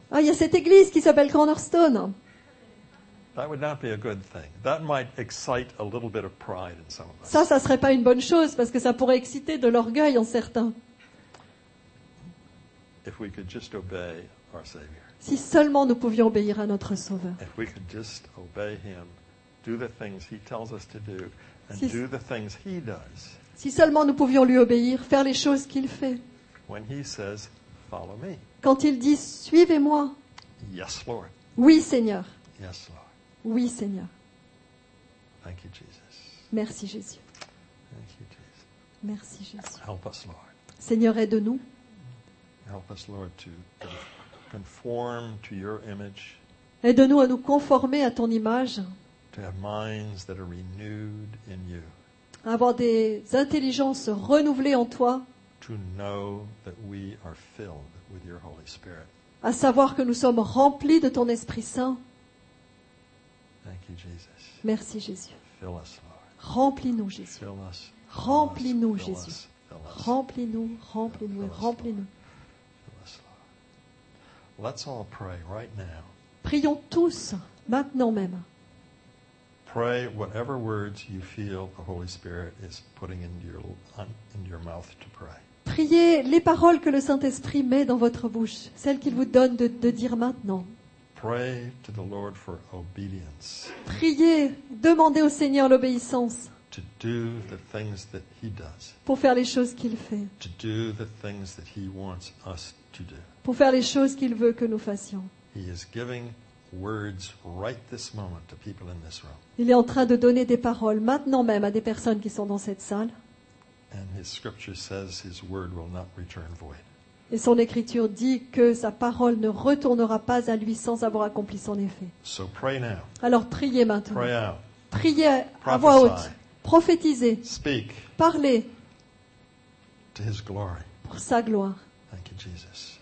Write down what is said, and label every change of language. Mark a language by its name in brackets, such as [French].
[French] Ah, il y a cette église qui s'appelle Cornerstone. [English] That would not be a good thing. That might excite a little bit of pride in some of us. [French] Ça, ça serait pas une bonne chose parce que ça pourrait exciter de l'orgueil en certains. [English] If we could just obey our Savior. [French] Si seulement nous pouvions obéir à notre Sauveur. [English] If we could just obey Him, do the things He tells us to do, and do the things He does. [French] Si seulement nous pouvions lui obéir, faire les choses qu'il fait. [English] When He says, "Follow me." [French] Quand il dit, suivez-moi. [English] Yes, Lord. [French] Oui, Seigneur. [English] Yes, Lord. [French] Oui, Seigneur. [English] Thank you, Jesus. [French] Merci, Jésus. [English] Thank you, Jesus. [French] Merci, Jésus. [English] Help us, Lord. [French] Seigneur, aide-nous. [English] Help us, Lord, to conform to your image. [French] Aide-nous à nous conformer à ton image. [English] To have minds that are renewed in you. [French] Avoir des intelligences renouvelées en toi. [English] To know that we are filled with your Holy Spirit. [French] À savoir que nous sommes remplis de ton Esprit Saint. [English] Thank you, Jesus. [French] Merci Jésus. [English] Fill us, Lord. [French] Remplis-nous Jésus. [English] Fill us. [French] Remplis-nous Jésus. Remplis-nous, remplis-nous, remplis-nous. [English] Fill us, Lord. Let's all pray right now. [French] Prions tous maintenant même. [English] Pray whatever words you feel the Holy Spirit is putting into your mouth to pray. [French] Priez les paroles que le Saint-Esprit met dans votre bouche, celles qu'il vous donne de dire maintenant. [English] Pray to the Lord for obedience. [French] Priez, demandez au Seigneur l'obéissance. [English] To do the things that he does. [French] Pour faire les choses qu'il fait. [English] To do the things that he wants us to do. [French] Pour faire les choses qu'il veut que nous fassions. [English] He is giving words right this moment to people in this room. [French] Il est en train de donner des paroles maintenant même à des personnes qui sont dans cette salle. [English] And his scripture says his word will not return void. [French] Et son écriture dit que sa parole ne retournera pas à lui sans avoir accompli son effet. [English] So pray now. [French] Alors priez maintenant. [English] Pray out. [French] Priez à voix haute. Prophétisez. [English] Speak. [French] Parlez. [English] To his glory. [French] Pour sa gloire. [English] Thank you, Jesus.